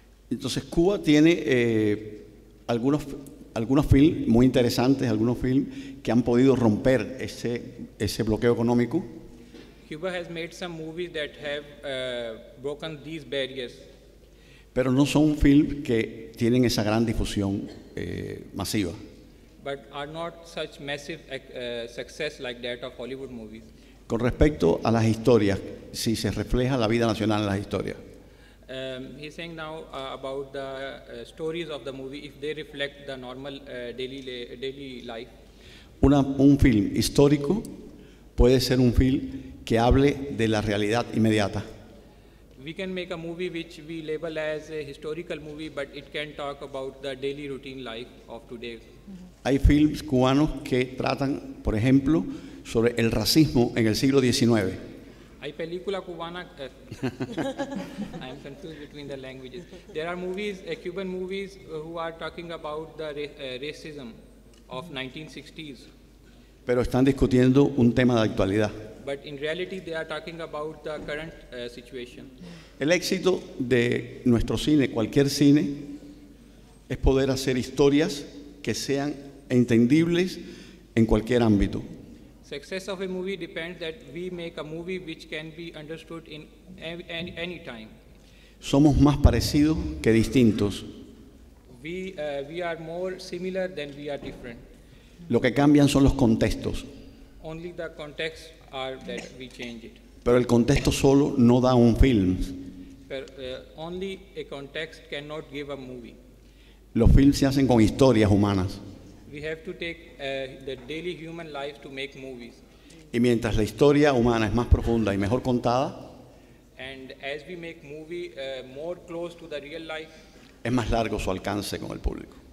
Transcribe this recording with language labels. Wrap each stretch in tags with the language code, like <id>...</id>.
<es>Entonces Cuba tiene algunos films muy interesantes, algunos films que han podido romper ese bloqueo económico.</es> <en>Cuba has made some movies that have broken these barriers.</en> <es>Pero no son films que tienen esa gran difusión masiva.</es> <en>But are not such massive success like that of Hollywood movies.</en> <es>Con respecto a las historias, si se refleja la vida nacional en las historias.</es> <en>He's saying now about the stories of the movie, if they reflect the normal daily life.</en> <es>Un film histórico puede ser un film que hable de la realidad inmediata.</es> <en>We can make a movie which we label as a historical movie, but it can talk about the daily routine life of today.</en> <es>Hay films cubanos que tratan, por ejemplo, sobre el racismo en el siglo XIX. Hay película cubana.</es> <en>I am confused between the languages. There are movies, Cuban movies, who are talking about the racism of 1960s.</en> <es>Pero están discutiendo un tema de actualidad.</es> <en>But in reality, they are talking about the current situation.</en> <es>El éxito de nuestro cine, cualquier cine, es poder hacer historias que sean entendibles en cualquier ámbito.</es> <en>Success of a movie depends that we make a movie which can be understood in any time.</en> <es>Somos más parecidos que distintos.</es> <en>We are more similar than we are different.</en> <es>Lo que cambian son los contextos.</es> <en>Only the context are that we change it.</en> <es>Pero el contexto solo no da un film.</es> <en>But, only a context cannot give a movie.</en> <es>Los films se hacen con historias humanas.</es> <en>We have to take the daily human life to make movies.</en> <es>Y mientras la historia humana es más profunda y mejor contada,</es> <en>and as we make movie more close to the real life,</en> <es>es más largo su alcance con el público.</es>